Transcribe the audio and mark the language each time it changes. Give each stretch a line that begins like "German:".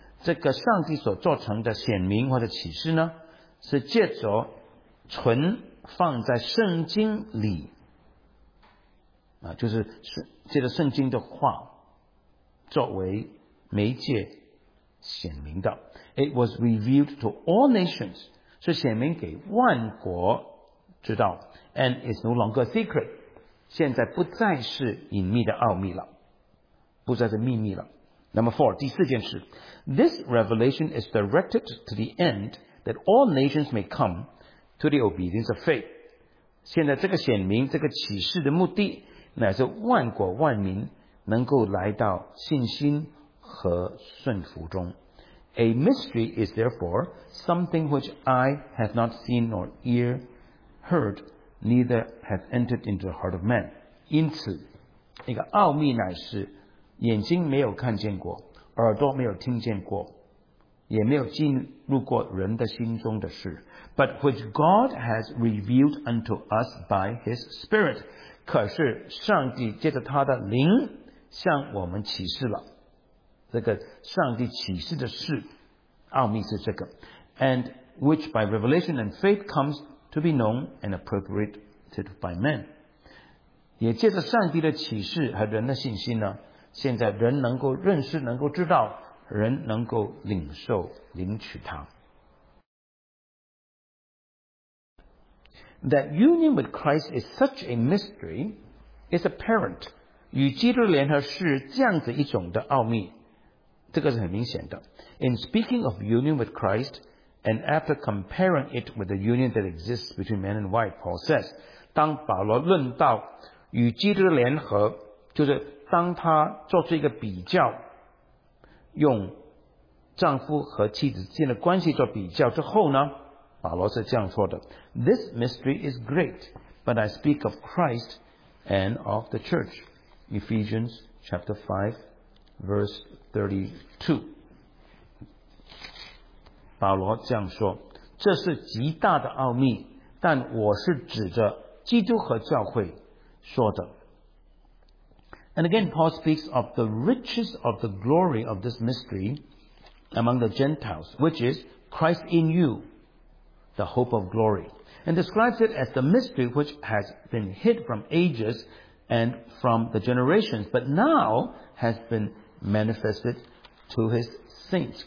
Chinese: 这个上帝所做成的显明或者启示呢，是借着存放在圣经里就是借着圣经的话作为媒介显明的
English: It was revealed to all nations
Chinese: 是显明给万国知道
English: And is no longer secret
Chinese: 现在不再是隐秘的奥秘了不再是秘密了
English: Number four
Chinese: 第四件事
English: This revelation is directed to the end that all nations may come to the obedience of faith
Chinese: 现在这个显明这个启示的目的乃是万国万民能够来到信心和顺服中。
English: A mystery is therefore something which I have not seen nor ear heard, neither has entered into the heart of man.
Chinese: 因此，一个奥秘乃是眼睛没有看见过，耳朵没有听见过，也没有进入过人的心中的事。
English: But which God has revealed unto us by His Spirit.
Chinese: 可是上帝借着他的灵向我们启示了这个上帝启示的事奥秘是这个
English: and which by revelation and faith comes to be known and appropriated by men.
Chinese: 也借着上帝的启示和人的信心呢，现在人能够认识，能够知道，人能够领受，领取它。
English: That union with Christ is such a mystery is apparent.
Chinese: 与基督联合是这样子一种的奥秘，这个是很明显的。
English: In speaking of union with Christ, and after comparing it with the union that exists between man and wife, Paul says,
Chinese: 当保罗论到与基督联合，就是当他做出一个比较，用丈夫和妻子之间的关系做比较之后呢，保罗是这样说的。
English: This mystery is great, but I speak of Christ and of the church. Ephesians chapter 5, verse 32.
Chinese: 保罗这样说，这是极大的奥秘，但我是指着基督和教会说的。
English: And again, Paul speaks of the riches of the glory of this mystery among the Gentiles, which is Christ in you, the hope of glory, and describes it as the mystery which has been hid from ages and from the generations, but now has been manifested to his saints.